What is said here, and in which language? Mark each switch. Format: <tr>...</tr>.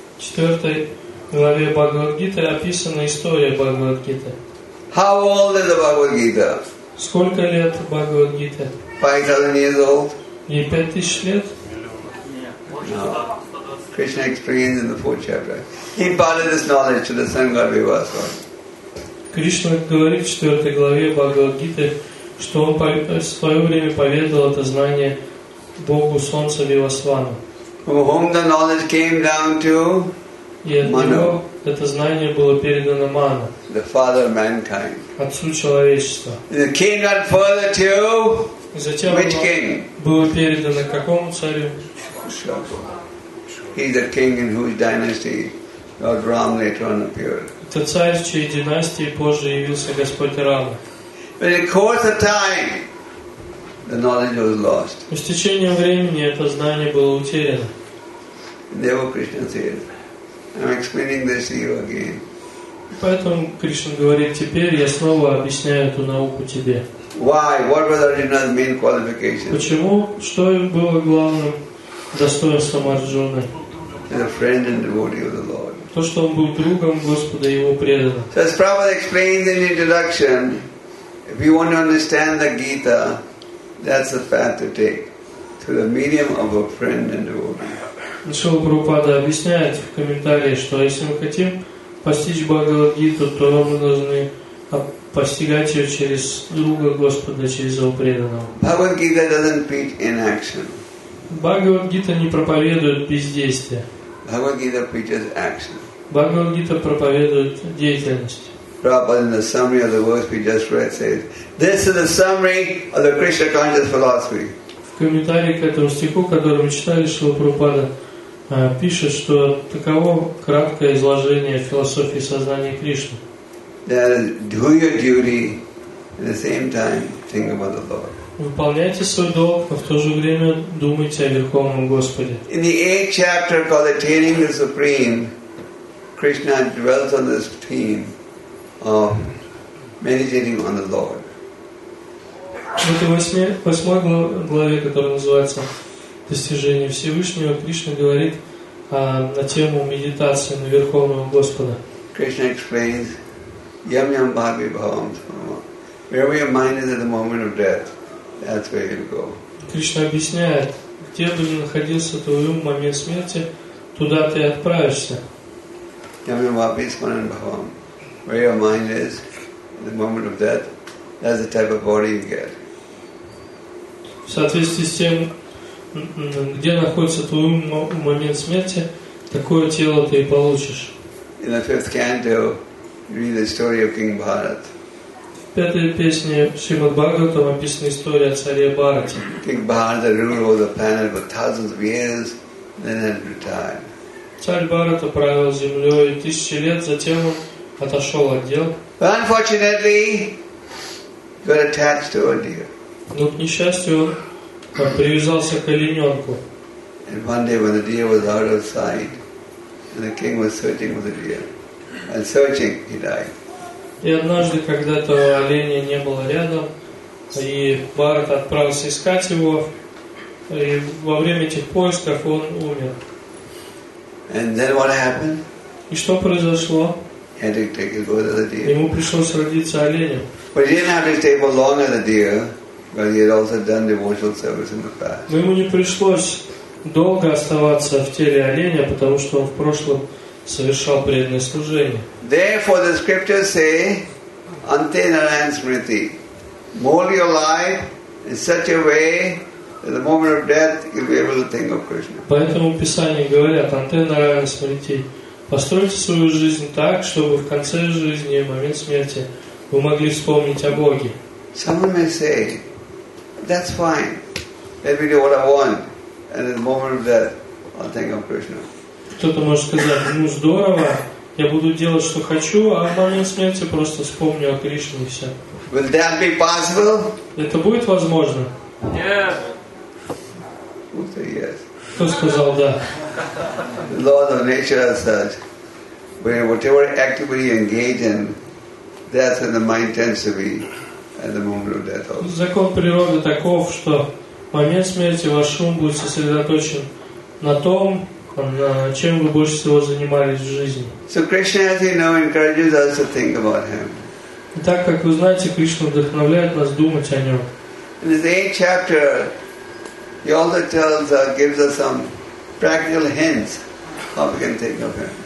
<ru>В четвертой главе Бхагавад-гиты описана история Бхагавад-гиты.</ru> <en>How old is the Bhagavad-gita?</en> <ru>Сколько лет Бхагавад-гита?</ru> <en>5,000 years old.</en> <ru>Не 5,000 лет?</ru> <en>No. Krishna explains in the fourth chapter. He imparted this knowledge to the Sangha Vivasa.</en> <ru>Krishna говорит в четвертой главе Бхагавад-гиты, что он в свое время поведал это знание Богу Солнца Вивасвану.</ru> <en>From whom the knowledge came down to?</en> <ru>Ману. Это знание было передано Ману.</ru> <en>The father of mankind.</en> <ru>Отцу человечества.</ru> <en>The king got further to?</en> <ru>Затем</ru> <en>which king?</en> <ru>Было передано какому царю?</ru> <en>He is the king in whose dynasty Lord Ram later on appeared.</en> <ru>Это царь, в чьей династии позже явился Господь Рама.</ru> <en>But in course of time, the knowledge was lost.</en> <ru>С течением времени это знание было утеряно.</ru> <en>Therefore Krishna says, I'm explaining this to you again.</en> <ru>Поэтому Кришна говорит, теперь я снова объясняю эту науку тебе.</ru> <en>Why? What was Arjuna's main qualification?</en> <ru>Почему? Что было главным достоинством Арджуны?</ru> <en>A friend and devotee of the Lord.</en> <ru>То, что он был другом Господа и его преданным.</ru> <en>So as Prabhupada explains in the introduction, if you want to understand the Gita, that's the path to take through the medium of a friend and devotee.</en> <ru>Шрила Прабхупада объясняет в комментарии, что если мы хотим постичь Бхагавад-гиту, то мы должны постигать ее через друга Господа, через его преданного.</ru> <en>Bhagavad-gita doesn't preach inaction.</en> <ru>Бхагавад-гита не проповедует бездействие.</ru> <en>Bhagavad-gita preaches action.</en> <ru>Бхагавад-гита проповедует деятельность.</ru> <en>Prabhupada, in the summary of the verse we just read, says, this is the summary of the Krishna conscious philosophy.</en> <ru>В комментарии к этому стиху, который мы читали, Шрила Прабхупада пишет, что таково краткое изложение философии сознания Кришны.</ru> <en>Do your duty, at the same time, think about the Lord.</en> <ru>Выполняйте свой долг, но в то же время думайте о Верховном Господе.</ru> <en>In the eighth chapter called Attaining the Supreme, Krishna dwells on this theme of meditating on the Lord.</en> <ru>Это восьмая глава, которая называется «Достижение Всевышнего». Кришна говорит на тему медитации на Верховного Господа.</ru> <en>Krishna explains,</en> <sa>yam yam bhavi bhavam.</sa> <en>Wherever your mind is at the moment of death, that's where you'll go.</en> <ru>Кришна объясняет, где бы ни находился твой ум в момент смерти, туда ты отправишься.</ru> <sa>Yam yam bhavi bhavam.</sa> <en>Where your mind is at the moment of death, that's the type of body you get.</en> <ru>В соответствии с тем, где находится твой ум в момент смерти, такое тело ты и получишь.</ru> <en>In the fifth canto, read the story of King Bharat.</en> <ru>В пятой песне Шримад Бхагаватам описана история о царе Бхарате.</ru> <en>King Bharata ruled over the planet for thousands of years, then had retired.</en> <ru>Царь Бхарата правил землей тысячи лет, затем он отошел от дел.</ru> <en>But unfortunately, got attached to a deer.</en> <ru>Но, к несчастью, он привязался к олененку.</ru> <en>And one day when the deer was out of sight, and the king was searching for the deer, and searching, he died.</en> <ru>И однажды, когда этого оленя не было рядом, И Бхарата отправился искать его, и во время этих поисков он умер.</ru> <en>And then what happened?</en> <ru>И что произошло?</ru> <en>He had to take his brother, the deer.</en> <ru>Ему пришлось родиться оленем.</ru> <en>But he didn't have to stay for longer the deer, but he had also done devotional service in the past.</en> <ru>Но ему не пришлось долго оставаться в теле оленя, потому что он в прошлом совершал преданное служение.</ru> <en>Therefore the scriptures say,</en> <sa>Ante Narayan Smriti,</sa> <en>mold your life in such a way that the moment of death you'll be able to think of Krishna.</en> <ru>Поэтому Писание говорит,</ru> <sa>Ante Narayan Smriti,</sa> <ru>постройте свою жизнь так, чтобы в конце жизни, в момент смерти, вы могли вспомнить о Боге.</ru> <en>Someone may say, that's fine. Let me do what I want. And in the moment of death, I'll think of Krishna.</en> <ru>Кто-то может сказать, ну здорово, я буду делать, что хочу, а в момент смерти просто вспомню о Кришне и все.</ru> <en>Will that be possible?</en> <ru>Это будет возможно?</ru> <en>Yes. Who said yes?</en> <ru>Кто сказал да?</ru> <en>The laws of nature are such, where whatever activity you engage in, that's when the mind tends to be at the moment of death also.</en> <ru>Закон природы таков, что в момент смерти ваш ум будет сосредоточен на том, чем вы больше всего занимались в жизни.</ru> <en>So Krishna, as you know, encourages us to think about him.</en> <ru>И так как вы знаете, Кришна вдохновляет нас думать о нем.</ru> <en>In this 8th chapter, he also tells, gives us some practical hints how we can think of him.</en>